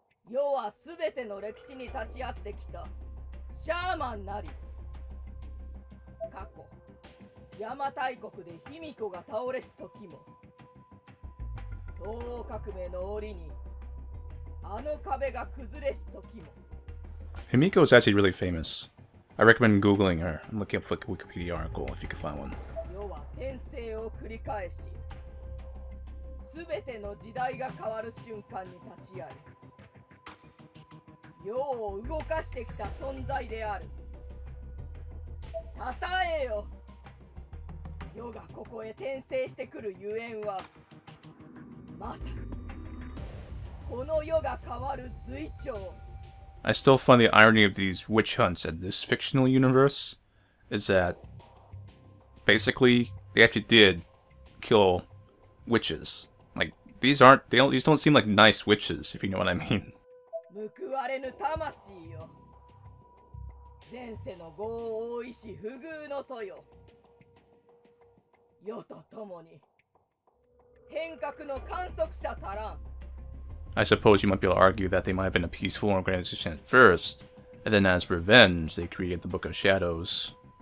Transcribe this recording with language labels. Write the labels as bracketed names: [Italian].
[Japanese] 世は全ての歴史に立ち会ってきたシャーマンなり。過去、邪馬台国で卑弥呼が倒れす時も、東欧革命の折にあの壁が崩れす時も。 [English] 卑弥呼is actually really famous. I recommend googling her and looking up like a Wikipedia article if you can find one. [Japanese] 世は転生を繰り返し、すべての時代が変わる瞬間に立ち会い、世を動かしてきた存在である。讃えよ、世がここへ転生してくるゆえんは、まさにこの世が変わる随兆。 [English] I still find the irony of these witch hunts in this fictional universe is that basically they actually did kill witches. Like, these don't seem like nice witches, if you know what I mean. [Japanese] 報われぬ魂よ。前世の業を負いし不遇の豊。世とともに変革の観測者たらん。 [English] I suppose you might be able to argue that they might have been a peaceful organization at first, and then as revenge, they created the Book of Shadows.